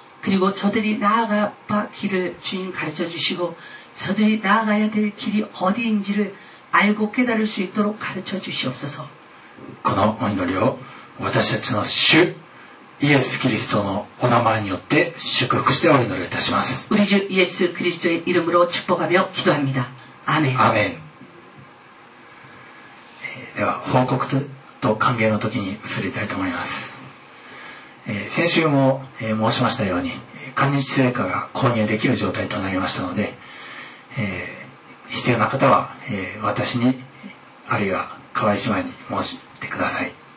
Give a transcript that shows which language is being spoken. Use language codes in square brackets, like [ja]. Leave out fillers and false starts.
[ko] 그리고저들이나아가바길을주님가르쳐주시고저들이나아가야될길이어디인지를알고깨달을수있도록가르쳐주시옵소서。 [ja] このお祈りを私たちの主イエスキリストのお名前によって祝福してお祈りいたします。 [ko] 우리주예수그리스도의이름으로축복하며기도합니다。 아멘。 아멘。 [ja] では報告 と歓迎の時に移りたいと思います。先週も申しましたように、歓迎聖火が購入できる状態となりましたので、必要な方は、私にあるいは河合姉妹に申してください。